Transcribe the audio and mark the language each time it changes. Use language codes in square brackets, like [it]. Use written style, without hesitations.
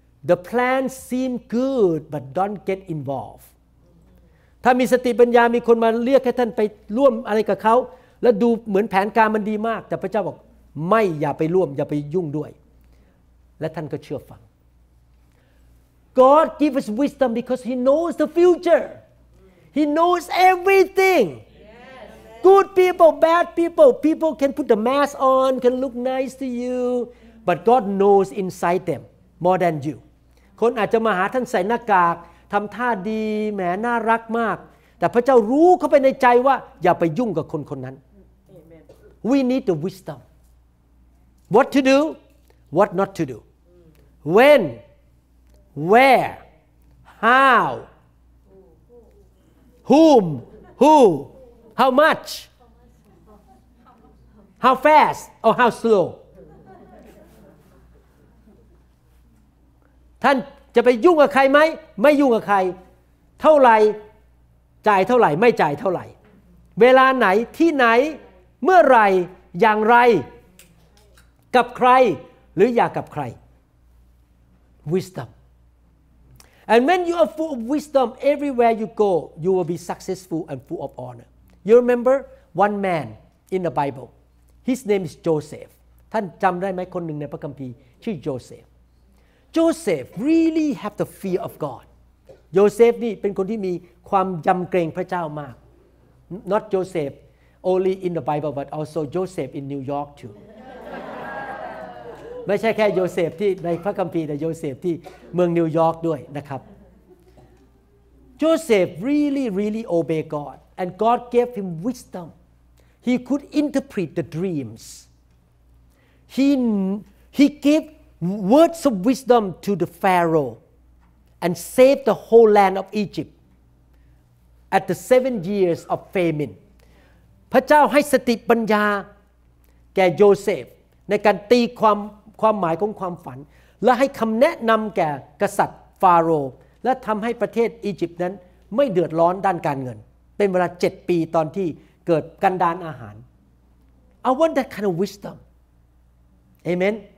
[en] The plan seem good, but don't get involved. [th] ถ้ามีสติปัญญามีคนมาเรียกให้ท่านไปร่วมอะไรกับเขาแล้วดูเหมือนแผนการมันดีมากแต่พระเจ้าบอกไม่อย่าไปร่วมอย่าไปยุ่งด้วยและท่านก็เชื่อฟัง [en] God give us wisdom because he knows the future. He knows everything. Yes. Good people, bad people, people can put the mask on, can look nice to you, but God knows inside them more than you. [th] คนอาจจะมาหาท่านใส่หน้ากากทำท่าดีแหมน่ารักมากแต่พระเจ้ารู้เข้าไปในใจว่าอย่าไปยุ่งกับคนคนนั้น [en] We need the wisdom. What to do? What not to do? When? Where? How? Whom? Who? How much? How fast? Or how slow? [th] ท่านจะไปยุ่งกับใครไหมไม่ยุ่งกับใครเท่าไหร่จ่ายเท่าไหร่ไม่จ่ายเท่าไหร่เวลาไหนที่ไหนเมื่อไรอย่างไรกับใครหรืออยากกับใคร wisdom [en] And when you are full of wisdom, everywhere you go, you will be successful and full of honor. You remember one man in the Bible. His name is Joseph. [th] ท่านจำได้ไหมคนหนึ่งในพระคัมภีร์ชื่อ Joseph. [en] Joseph really have the fear of God. [th] Joseph นี่เป็นคนที่มีความยำเกรงพระเจ้ามาก [en] Not Joseph only in the Bible, but also Joseph in New York too. [th] ไม่ใช่แค่โยเซฟที่ในพระคัมภีร์แต่โยเซฟที่เมืองนิวยอร์กด้วยนะครับ [en] Joseph really, really obey God. And God gave him wisdom. He could interpret the dreams. He gave words of wisdom to the Pharaoh and saved the whole land of Egypt at the 7 years of famine. [th] พระเจ้าให้สติปัญญาแก่โยเซฟในการตีความหมายของความฝันและให้คำแนะนำแก่กษัตริย์ฟาโรห์และทำให้ประเทศอียิปต์นั้นไม่เดือดร้อนด้านการเงินเป็นเวลา7 ปีตอนที่เกิดกันดารอาหาร [en] I want that kind of wisdom [th] Amen